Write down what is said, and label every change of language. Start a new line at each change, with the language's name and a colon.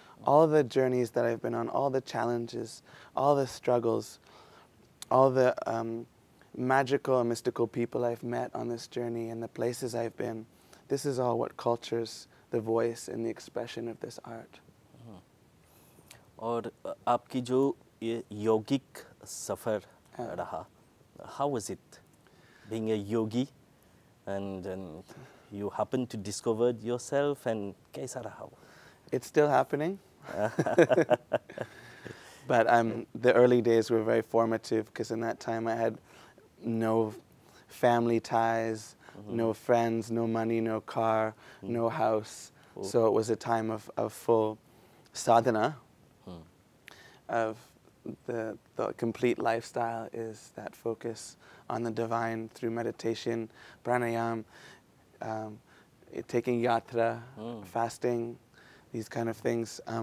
English: All the journeys that I've been on, all the challenges, all the struggles, all the magical and mystical people I've met on this journey and the places I've been, this is all what cultures the voice and the expression of this art.
Hindi: और आपकी जो ये योगिक सफर रहा,
English: how was it being a yogi and you happen to discover yourself
Hindi: and कैसा रहा?
English: It's still happening but I am the early days were very formative because in that time I had no family ties, no friends, no money, no car, no house, so it was a time of full sadhana. Of the complete lifestyle is that focus on the divine through meditation, pranayama, taking yatra, fasting, these kind of things.